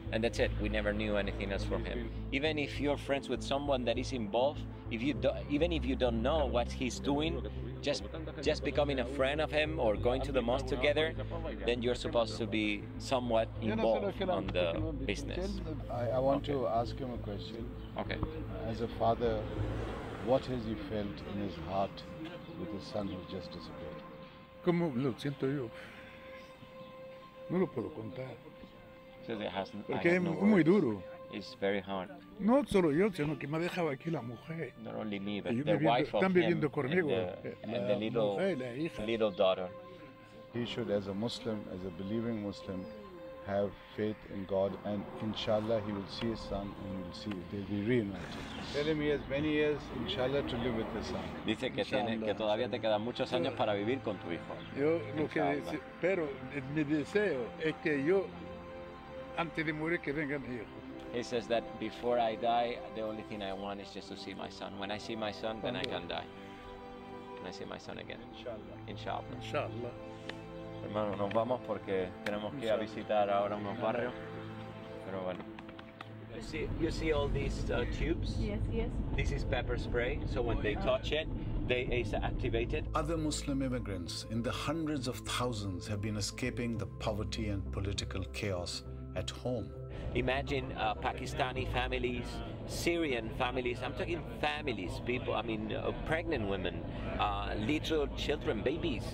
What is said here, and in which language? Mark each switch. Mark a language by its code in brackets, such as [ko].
[en] And that's it. We never knew anything else from him. Even if you're friends with someone that is involved, even if you don't know what he's doing, just becoming a friend of him or going to the mosque together, then you're supposed to be somewhat involved on the business. I want to ask him a question. Okay. As a father, what has he felt in his heart with his son who just disappeared? [es] Como lo siento yo, no lo puedo contar. [en] Says it hasn't. [es] Porque es muy duro. [en] It's very hard. [es] No solo yo, sino que me ha dejado aquí la mujer. [en] Not only me, but the wife of him. [es] Están viviendo conmigo. [en] And the little daughter. He should, as a Muslim, as a believing Muslim, have faith in God, and inshallah he will see his son and he will see if they'll be reunited. Tell him he has many years, inshallah, to live with his son. [es] Dice que tiene, que todavía te quedan muchos años para vivir con tu hijo. Yo lo que dice, pero mi deseo es que yo, antes de morir, que venga mi hijo. [en] He says that before I die, the only thing I want is just to see my son. When I see my son, then I can die. Can I see my son again? [ar] Inshallah. Inshallah. Inshallah. [es] Hermano, nos vamos porque tenemos que ir a visitar ahora unos barrios. Pero bueno. [en] You see all these tubes? Yes, yes. This is pepper spray, so when they touch it, they is activated. Other Muslim immigrants in the hundreds of thousands have been escaping the poverty and political chaos at home. imagine Pakistani families, Syrian families, I'm talking families, people, I mean pregnant women, little children, babies.